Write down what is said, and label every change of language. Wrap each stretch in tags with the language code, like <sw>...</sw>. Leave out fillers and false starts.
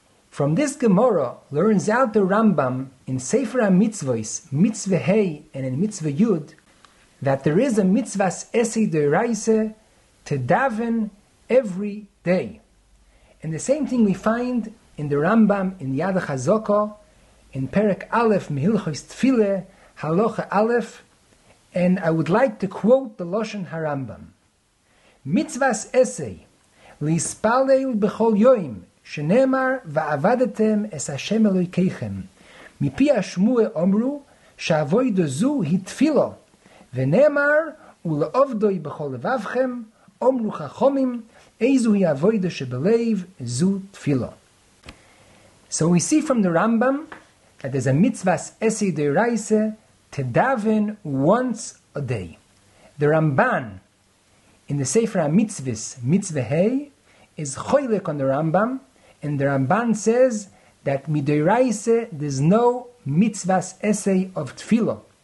<en>From this Gemara learns out the Rambam in Sefer HaMitzvos, Mitzvah Hei, and in Mitzvah Yud, that there is a mitzvah esei deraise to daven every day. And the same thing we find in the Rambam in Yad HaZoko, in Perek Aleph, Mehilchos Tfile, Halocha Aleph, and I would like to quote the Loshon HaRambam.</en> <he>Mitzvah esei, lispaleil b'chol yoim, שנאמר ועבדתם את השם אלוהיכם מפי השמוע אמרו שעבודה זו היא תפילה ונאמר ולעבדוי בכל לבבכם אמרו חכמים איזו היא עבודה שבלב זו תפילה.</he> <en>So we see from the Rambam that there's a mitzvah esei deraise to daven once a day. The Ramban in the Sefer HaMitzvos, Mitzvah Hei, is choylek on the Rambam. And the Ramban says that midoraisa there's no mitzvah essay of tefillah.</en>